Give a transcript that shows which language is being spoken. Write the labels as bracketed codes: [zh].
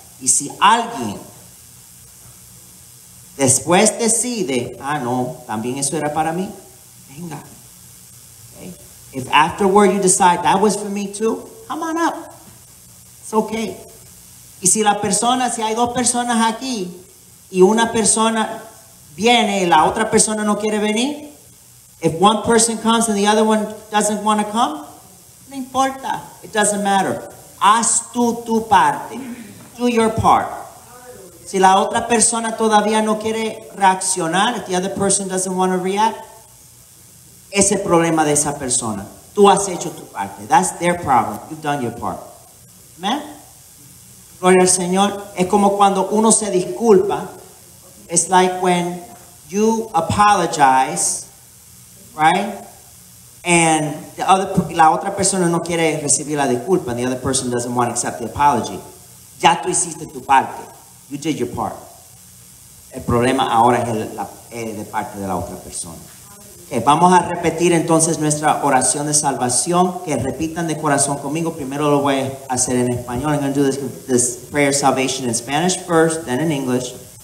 [es] Y si alguien después decide, ah no, también eso era para mí, venga. [en] If afterward you decide that was for me too, come on up. It's okay. [es] Y si la persona, si hay dos personas aquí y una persona viene y la otra persona no quiere venir, [en] if one person comes and the other one doesn't want to come, [es] no importa. [en] It doesn't matter. [es] Haz tú tu parte. [en] Do your part. [es] Si la otra persona todavía no quiere reaccionar, [en] if the other person doesn't want to react, [es] es el problema de esa persona. Tú has hecho tu parte. [en] That's their problem. You've done your part. [es] Amen. Gloria al Señor. Es como cuando uno se disculpa. [en] It's like when you apologize, right? And the other, [es] la otra persona no quiere recibir la disculpa. [en] And the other person doesn't want to accept the apology. [es] Ya tú hiciste tu parte. [en] You did your part. [es] El problema ahora es el de parte de la otra persona. Vamos a repetir entonces nuestra oración de salvación. Que repitan de corazón conmigo. Primero lo voy a hacer en español. [en] I'm going to do this prayer salvation in Spanish first, then in English.